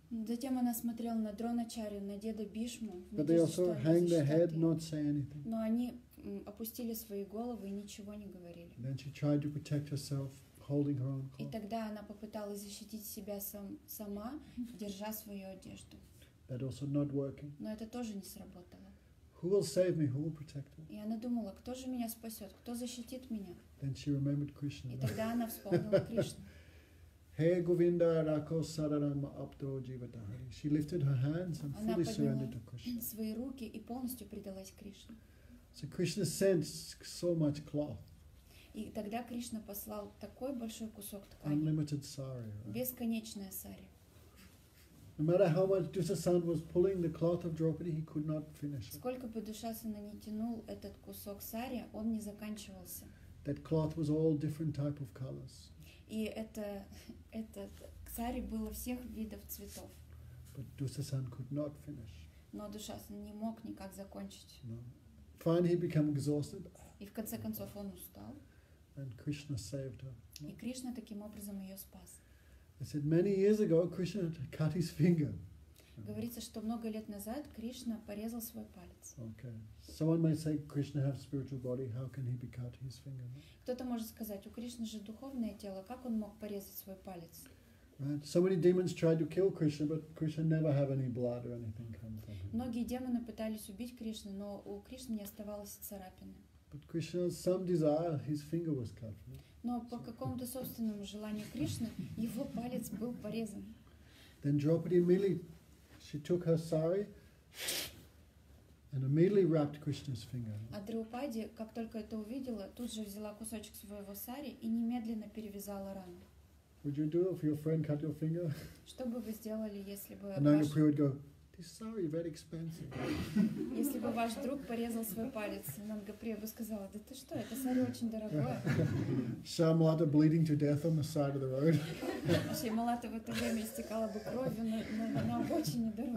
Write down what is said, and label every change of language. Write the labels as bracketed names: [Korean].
[Russian] Затем она смотрела на Дроначарью, на деда Бишму. [English] But they also hang their head, not say anything. [Russian] Но они опустили свои головы и ничего не говорили. [English] Then she tried to protect herself, holding her own cloak. [Russian] И тогда она попыталась защитить себя сама, держа свою одежду. [English] That also not working. [Russian] Но это тоже не сработало. [English] Who will save me? Who will protect me? [Russian] И она думала, кто же меня спасет, кто защитит меня? [English] Then she remembered Krishna. [Russian] И тогда она вспомнила Кришну. Hey Govinda, Rako Sararama Abdro Jivatahari. [English] She lifted her hands and fully surrendered to Krishna. [Russian] Свои руки и полностью предалась Кришне. [English] So Krishna sent so much cloth. [Russian] И тогда Кришна послал такой большой кусок ткани. [English] Unlimited sari. Right? [Russian] Бесконечная сари. [English] No matter how much Dusasana was pulling the cloth of Draupadi, he could not finish it. [Russian] Сколько бы Дусасана ни тянул этот кусок сари, он не заканчивался. [English] That cloth was all different type of colors. [Russian] И это сари было всех видов цветов. [English] But Dusasana could not finish. [Russian] Но Дусасана не мог никак закончить. [English] No. Finally, he became exhausted. [Russian] И в конце концов он устал. [English] And Krishna saved her. [Russian] И Кришна таким образом ее спас. [English] I said many years ago Krishna cut his finger. [Russian] Говорится, что много лет назад Кришна порезал свой палец. [English] Okay. Someone might say Krishna has spiritual body. How can he be cut his finger? [Russian] Кто-то может сказать, у Кришны же духовное тело. Как он мог порезать свой палец? [English] Right. So many demons tried to kill Krishna, but Krishna never had any blood or anything come from him. [Russian] Многие демоны пытались убить Кришну, но у Кришны не оставалось царапины. [English] But Krishna, some desire, his finger was cut. [Russian] Но по какому-то собственному желанию Кришны его палец был порезан. [English] Then Draupadi immediately, she took her sari and immediately wrapped Krishna's finger. [Russian] А Драупади, как только это увидела, тут же взяла кусочек своего сари и немедленно перевязала рану. [English] Would you do if your friend cut your finger? [Russian] Что бы вы сделали, если бы [English] Ananya would go, this sari very expensive. [Russian] Если бы ваш друг порезал свой палец, Нангаприя бы сказала, да ты что, это сари очень дорогое. [English] Шамалата bleeding to death on the side of the road. [Russian] Шамалата в это время истекала бы кровью на обочине дороги.